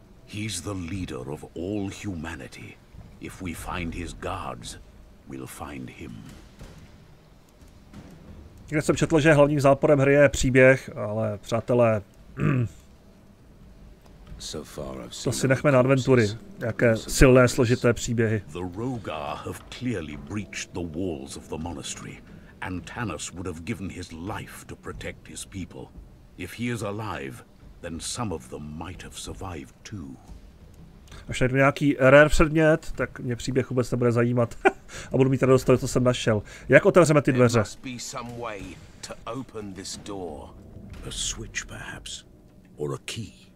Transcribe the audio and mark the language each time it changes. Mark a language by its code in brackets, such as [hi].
[en] He's the leader of all humanity. If we find his guards, we'll find him. [cs] Někde jsem četl, že hlavním záporem hry je příběh, ale přátelé, to si nechme na adventury, jaké silné, složité příběhy. [en] The Rogar have clearly breached the walls of the monastery, and Tanis would have given his life to protect his people. If he is alive, then some of them might have survived too. [cs] Až najdu nějaký rare předmět, tak mě příběh vůbec nebude zajímat. A budu mít radost, co jsem našel. Jak otevřeme ty dveře? [en] There must be some way to open this door. A switch perhaps, or a key.